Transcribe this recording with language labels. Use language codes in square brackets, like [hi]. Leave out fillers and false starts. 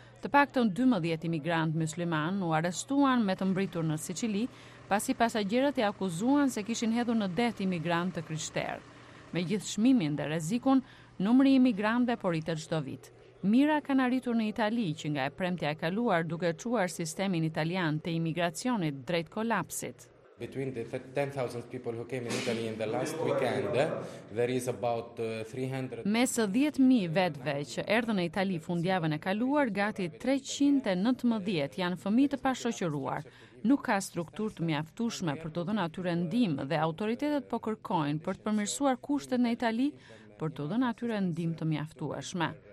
[sq] Të paktën 12 imigrant musliman u arrestuan me të mbritur në Sicili, pasi pasagjerët i akuzuan se kishin hedhur në det imigrant të krishterë. Me gjithë çmimin dhe rrezikun, numri i imigrantëve po rritet çdo vit. Mira kanë arritur në Itali, që nga e premtja e kaluar duke çuar sistemin italian të imigracionit drejt kolapsit. [en] Between the 10,000 people who came in Italy in the last weekend, there is about 300. [sq] Mes 10.000 vetëve që erdhën në Itali fundjavën e kaluar, gati 319 janë fëmijë të pashoqëruar. Nuk ka strukturë të mjaftueshme për të dhënë atyre ndihmë dhe autoritetet po kërkojnë për të përmirësuar kushtet në Itali për të dhënë atyre ndihmë të mjaftueshme.